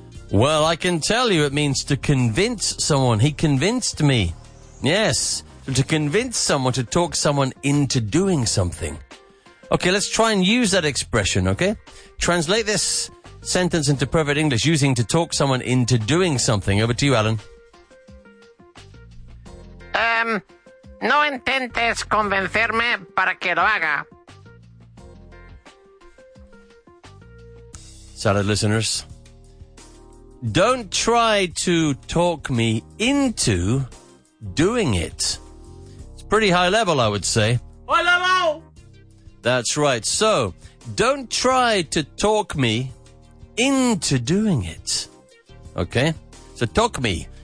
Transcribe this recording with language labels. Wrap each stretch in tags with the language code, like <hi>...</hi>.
<en>Well, I can tell you it means to convince someone. He convinced me. Yes, to convince someone, to talk someone into doing something. Okay, let's try and use that expression, okay? Translate this sentence into perfect English using to talk someone into doing something. Over to you, Alan.</en> <es>No intentes convencerme para que lo haga.</es> <en>Salad listeners, don't try to talk me into doing it. It's pretty high level, I would say. High level! That's right. So, don't try to talk me into doing it. Okay? So, talk me.</en>